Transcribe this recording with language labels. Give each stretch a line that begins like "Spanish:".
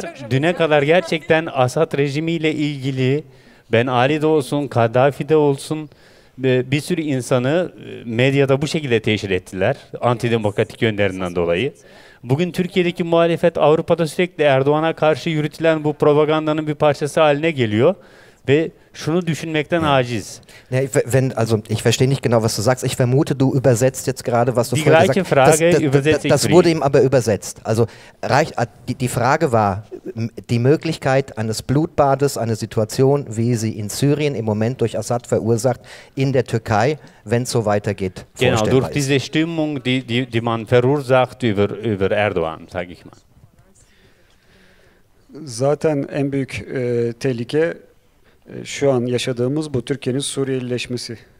Turkish: Düne kadar gerçekten Assad rejimiyle ilgili Ben Ali'de olsun, Kaddafi'de olsun bir sürü insanı medyada bu şekilde teşhir ettiler. Antidemokratik yönlerinden dolayı. Bugün Türkiye'deki muhalefet Avrupa'da sürekli Erdoğan'a karşı yürütülen bu propagandanın bir parçası haline geliyor. Ve şunu düşünmekten aciz.
German: Ja, ich verstehe nicht genau, was du sagst. Ich vermute, du übersetzt jetzt gerade, was du vorher gesagt hast. Das wurde ihm aber übersetzt. Also die Frage war, die Möglichkeit eines Blutbades, eine Situation, wie sie in Syrien im Moment durch Assad verursacht, in der Türkei, wenn es so weitergeht, vorstellbar ist. Genau, durch diese Stimmung, die man verursacht über Erdogan, sage ich mal.
Turkish: Zaten en büyük tehlike şu an yaşadığımız bu Türkiye'nin Suriyelileşmesi.